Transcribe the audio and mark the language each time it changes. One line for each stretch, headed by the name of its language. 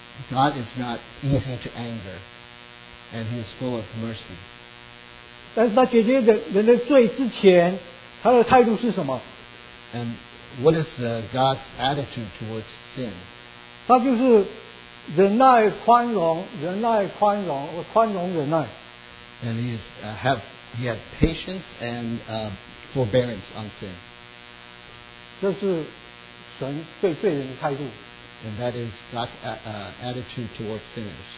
English: God is not easy to anger, and He is full of mercy.
Chinese: 但是他解决人的罪之前，他的态度是什么？
English: And what is God's attitude towards sin?
Chinese: 他就是忍耐宽容，忍耐宽容，宽容忍耐。
English: And he had patience and forbearance on sin.
Chinese: 这是神对罪人的态度。
English: And that is God's attitude towards sinners.